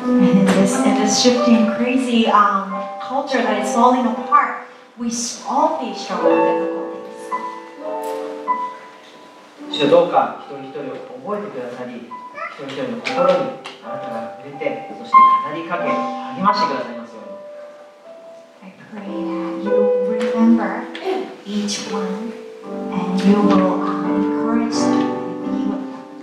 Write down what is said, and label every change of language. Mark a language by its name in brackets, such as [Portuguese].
[English] And in this shifting crazy culture that is falling apart, we all face struggle with difficulties. [Korean] 주여 [Japanese] どうか一人一人を覚えてくださり、一人一人の心にあなたが触れて、そして語りかけ、励ましてください。 [English] Pray that you remember each one and you will encourage them to be with them.